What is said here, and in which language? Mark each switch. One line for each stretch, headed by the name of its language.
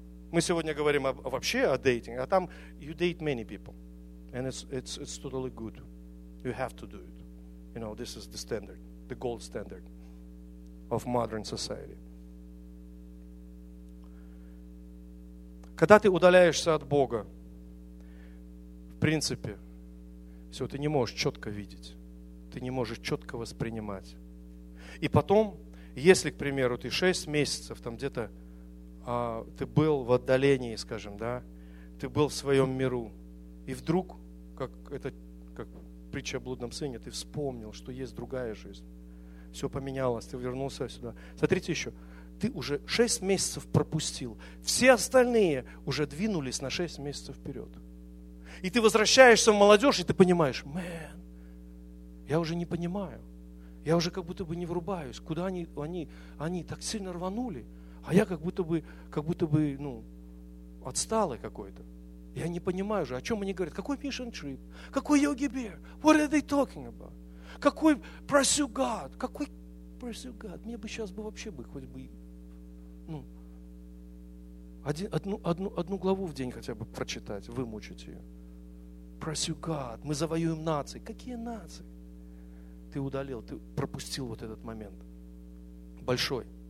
Russian: Мы сегодня говорим вообще о дейтинге, а там
English: you date many people. And it's totally good. You have to do it. You know, this is the standard, the gold standard of modern society.
Russian: Когда ты удаляешься от Бога, в принципе, все, ты не можешь четко видеть, ты не можешь четко воспринимать. И потом, если, к примеру, ты 6 месяцев там где-то, ты был в отдалении, скажем, да, ты был в своем миру, и вдруг, как притча о блудном сыне, ты вспомнил, что есть другая жизнь. Все поменялось, ты вернулся сюда. Смотрите еще, ты уже 6 месяцев пропустил, все остальные уже двинулись на 6 месяцев вперед. И ты возвращаешься в молодежь, и ты понимаешь, мэн, я уже не понимаю, я уже как будто бы не врубаюсь, куда они так сильно рванули, а я как будто бы ну, отсталый какой-то. Я не понимаю же, о чем они говорят, какой mission trip, какой
English: yogi bear, what are they talking about?
Russian: Какой
English: pursue God? Какой pursue God?
Russian: Мне бы сейчас бы вообще бы хоть бы ну, одну главу в день хотя бы прочитать, вымучить ее.
English: Pursue God.
Russian: Мы завоюем нации. Какие нации? Ты удалил, ты пропустил вот этот момент. Большой.